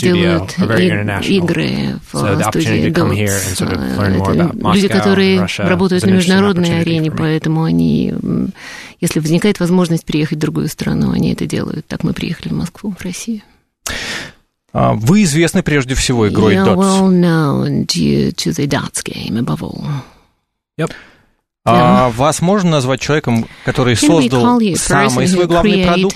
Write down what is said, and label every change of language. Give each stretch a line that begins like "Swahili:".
Russian: делают игры в студии Dot, люди, которые работают на международной арене, поэтому они, если возникает возможность переехать в другую страну, они это делают. Так мы приехали в Москву, в Россию. Вы известны прежде всего игрой Dots.
English: You're well known due to the Dots game, above all. Yep.
Russian: Вас можно назвать человеком, который создал самый свой главный продукт?